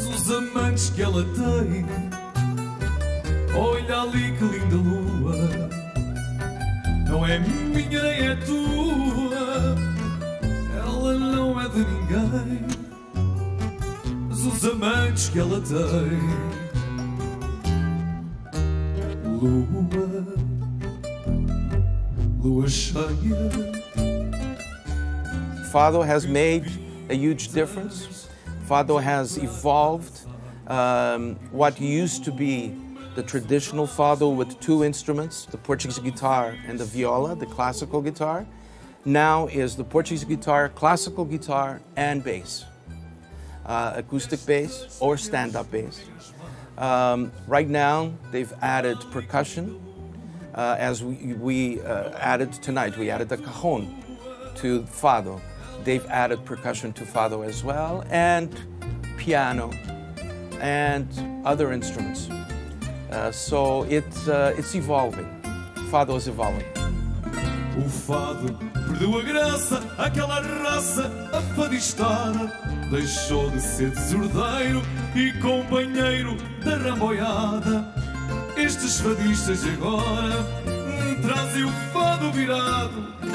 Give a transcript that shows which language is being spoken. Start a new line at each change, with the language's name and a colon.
Portuguese: Os amantes que ela tem, olha ali que linda lua, não é minha nem é tua, ela não é de ninguém, mas os amantes que ela tem, lua, lua cheia.
English: Fado has made a huge difference. Fado has evolved what used to be the traditional fado with two instruments, the Portuguese guitar and the viola, the classical guitar, now is the Portuguese guitar, classical guitar, and bass. Acoustic bass or stand-up bass. Right now, they've added percussion, as we added tonight. We added the cajon to fado. They've added percussion to fado as well, and piano and other instruments. It's evolving. Fado is evolving.
Portuguese: O fado perdeu a graça, aquela raça afadistada. Deixou de ser desordeiro e companheiro da ramboiada. Estes fadistas agora trazem o fado virado.